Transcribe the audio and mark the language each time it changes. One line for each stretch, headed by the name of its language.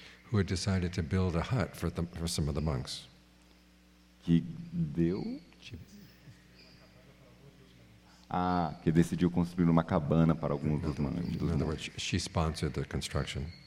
English: Who had decided to build a hut for some of the monks.
Portuguese: Que deu? Ah, que decidiu construir uma cabana para alguns dos monges.
English: In other words, she sponsored the construction.